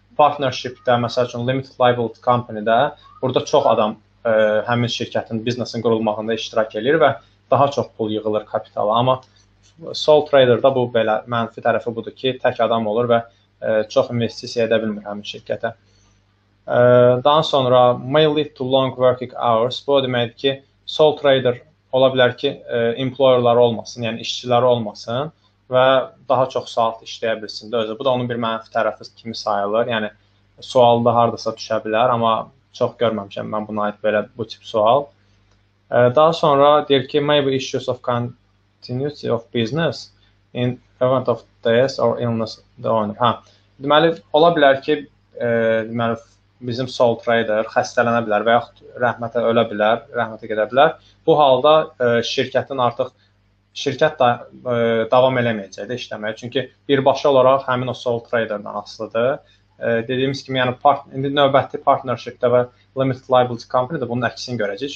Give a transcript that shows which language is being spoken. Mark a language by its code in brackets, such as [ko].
[az] Partnershipdə, məsəl üçün, limited liability company-də burada çox adam həmin şirkətin, biznesin qurulmağında iştirak edir və daha çox pul yığılır kapitala. Amma sole trader-da bu belə mənfi tərəfi budur ki, tək adam olur və çox investisiya edə bilmir həmin şirkətə. Daha sonra [en] may lead to long working hours. [az] Bu deməkdir ki, sole trader ola bilər ki, employer-ları olmasın, yəni işçiləri olmasın və daha çox saat işləyə bilsin də özü. Bu da onun bir mənfi tərəfi kimi sayılır. Yəni sualda hardasa düşə bilər, amma çox görməmişəm mən buna aid belə bu tip sual. Daha sonra deyir ki, [en] maybe issues of continuity of business in event of death or illness the owner. Ha. [az] Deməli ola bilər ki, deməli bizim sole trader xəstələnə bilər və yaxud rəhmətə ölə bilər, rəhmətə gedə bilər. Bu halda şirkətin artıq şirkət da davam eləməyəcək də işləməyə. Çünki birbaşa olaraq həmin o sole traderdan asılıdır. Dediyimiz kimi, yəni indi növbəti partnershipdə və limited liability company-də bunun əksini görəcək.